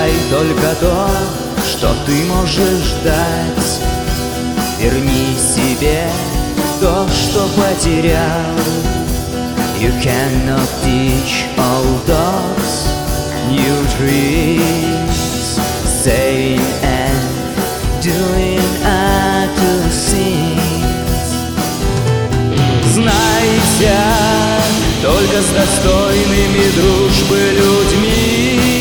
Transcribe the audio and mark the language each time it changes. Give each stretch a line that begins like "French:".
Russian: Только то, что ты можешь дать. Верни себе то, что потерял.
English: You cannot teach all dogs new tricks. Saying and doing other things.
Russian: Знайся только с достойными дружбы людьми.